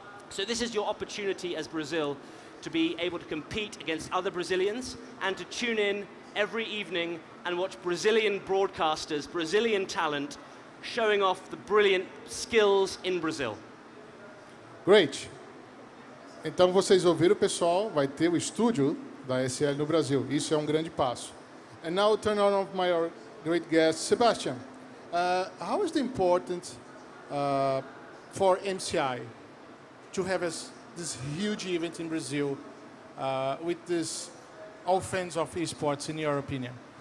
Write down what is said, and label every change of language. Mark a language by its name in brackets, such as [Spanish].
[English] So this is your opportunity as Brazil to be able to compete against other Brazilians and to tune in every evening and watch Brazilian broadcasters, Brazilian talent, showing off the brilliant skills in Brazil. Great. [Portuguese] Então vocês ouviram, pessoal, vai ter o estúdio da ESL no Brasil. Isso é grande passo. [English] And now I'll turn on of my great guest, Sebastian. How is the importance for MCI to have this huge event in Brazil with this all fans of esports, in your opinion?